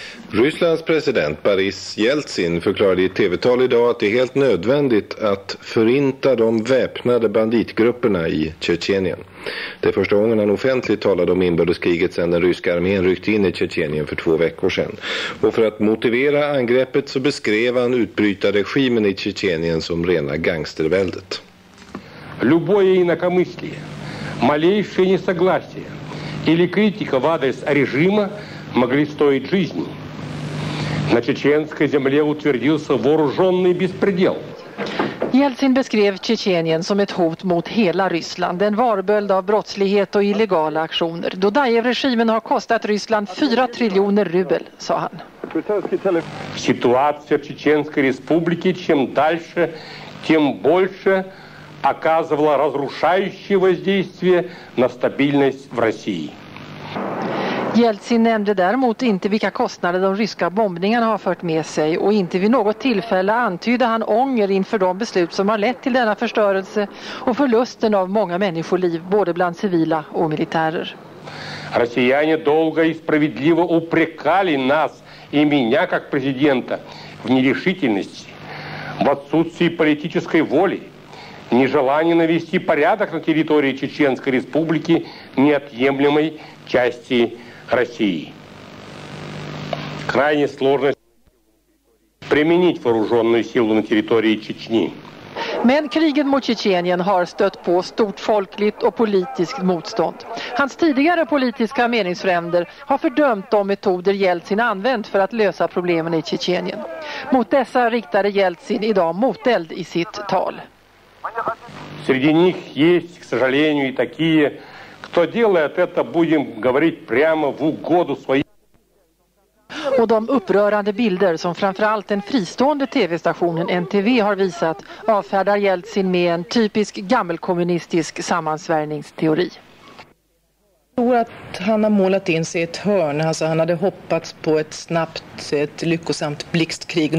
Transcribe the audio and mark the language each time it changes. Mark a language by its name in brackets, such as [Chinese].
[Swedish] Rysslands president Boris Jeltsin förklarade i ett tv-tal idag att det är helt nödvändigt att förinta de väpnade banditgrupperna i Tjetjenien. Det är första gången han offentligt talade om inbördeskriget sedan den ryska armén ryckte in i Tjetjenien för 2 veckor sedan. Och för att motivera angreppet så beskrev han utbrytarregimen i Tjetjenien som rena gangsterväldet. [Russian] Любое инакомыслие, малейшее несогласие или критика в адрес режима могли стоить жизни. На чеченской земле утвердился вооруженный беспредел. [Swedish] Jeltsin beskrev Tjetjenien som ett hot mot hela Ryssland, en varböld av brottslighet och illegala aktioner. Dodajev-regimen har kostat Ryssland 4 triljoner rubel, sa han. [Russian] Ситуация в чеченской республике чем дальше, тем больше оказывала разрушающее воздействие на стабильность в России. [Swedish] Jeltsin nämnde däremot inte vilka kostnader de ryska bombningarna har fört med sig, och inte vid något tillfälle antydde han ånger inför de beslut som har lett till denna förstörelse och förlusten av många människoliv, både bland civila och militärer. [Russian] Россияне долго и справедливо упрекали нас и меня как президента в нерешительности, в отсутствии политической воли, нежелании навести порядок на территории Чеченской республики, неотъемлемой части России. Крайне сложно применить вооруженную силу на территории Чечни. [Swedish] Men kriget mot Tjetjenien har stött på stort folkligt och politiskt motstånd. Hans tidigare politiska meningsfränder har fördömt de metoder Jeltsin använt för att lösa problemen i Tjetjenien. Mot dessa riktade Jeltsin idag moteld i sitt tal. [Russian] Среди них есть, к сожалению, и такие, кто делает это, будем говорить прямо в угоду своим. [Swedish] Och de upprörande bilder som framförallt den fristående tv-stationen NTV har visat avfärdar Jeltsin med en typisk gammelkommunistisk sammansvärningsteori. Jag tror att han har målat in sig i ett hörn. Alltså han hade hoppats på ett snabbt, ett lyckosamt blixtkrig.